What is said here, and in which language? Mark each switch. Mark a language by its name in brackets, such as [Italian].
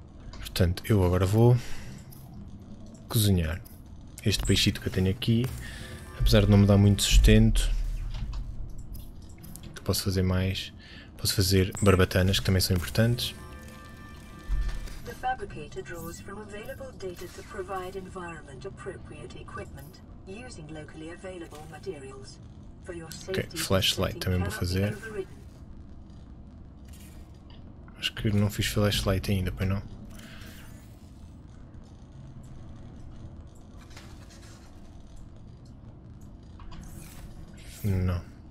[Portuguese] Portanto, eu agora vou cozinhar este peixito que eu tenho aqui. Apesar de não me dar muito sustento, que posso fazer mais? Posso fazer barbatanas, que também são importantes. [English] The fabricator draws from available data to provide environment appropriate equipment using locally available materials. For your safety, [Portuguese] okay, flashlight também vou fazer. Acho que não fiz flashlight ainda, pois não? Não.